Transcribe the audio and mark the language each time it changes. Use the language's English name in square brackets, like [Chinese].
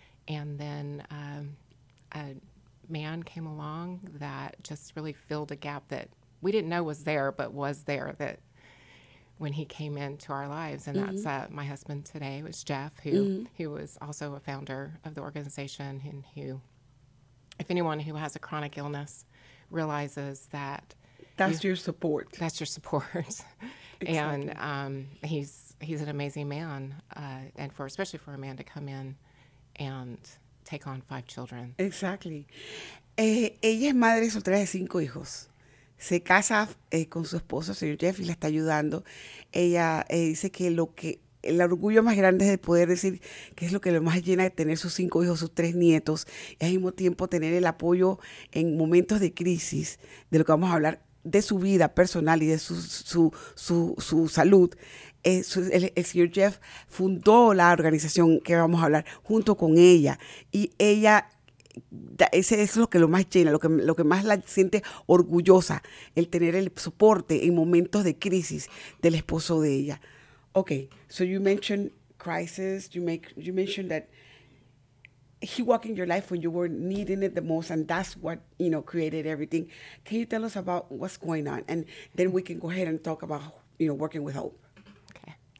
[English] And then a man came along that just really filled a gap that we didn't know was there, but was there, that when he came into our lives, and that's my husband today, was Jeff, who who was also a founder of the organization, and who, if anyone who has a chronic illness realizes that... That's your support. Exactly. And he's an amazing man, especially for a man to come in and take on five children. [Spanish] Exactly. Ella es madre soltera de cinco hijos. Se casa con su esposo, señor Jeff, y la está ayudando. Ella dice que el orgullo más grande es de poder decir que es lo que lo más llena de tener sus cinco hijos, sus tres nietos, y al mismo tiempo tener el apoyo en momentos de crisis, de lo que vamos a hablar, de su vida personal y de su salud. El señor Jeff fundó la organización que vamos a hablar junto con ella, y ella... Ese es lo que lo más llena, lo que más la siente orgullosa, el tener el soporte en momentos de crisis del esposo de ella. [English] Okay, so you mentioned crisis, you mentioned that he walked in your life when you were needing it the most, and that's what, you know, created everything. Can you tell us about what's going on? And then we can go ahead and talk about, you know, working with Hope. Okay,